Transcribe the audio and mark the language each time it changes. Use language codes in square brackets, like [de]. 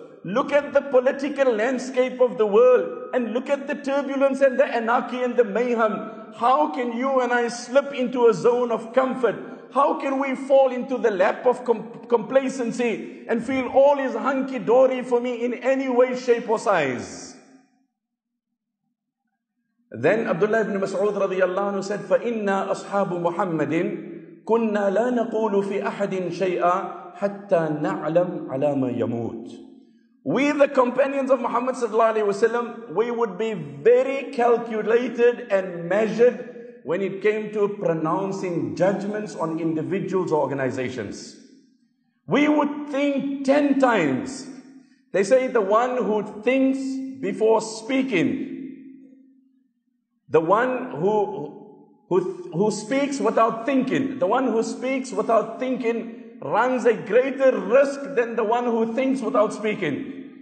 [en] Look at the political landscape of the world and look at the turbulence and the anarchy and the mayhem. How can you and I slip into a zone of comfort? How can we fall into the lap of complacency and feel all is hunky-dory for me in any way, shape or size? Then Abdullah ibn Mas'ud radiyallahu anhu said, [ar] فَإِنَّا أَصْحَابُ مُحَمَّدٍ كُنَّا لَا نَقُولُ فِي أَحَدٍ شَيْئًا حَتَّى نَعْلَمْ عَلَى مَا يَمُوتُ. [en] We the companions of Muhammad sallallahu alayhi wa sallam, we would be very calculated and measured when it came to pronouncing judgments on individuals or organizations. We would think 10 times. They say the one who thinks before speaking, the one who speaks without thinking, the one who speaks without thinking runs a greater risk than the one who thinks without speaking.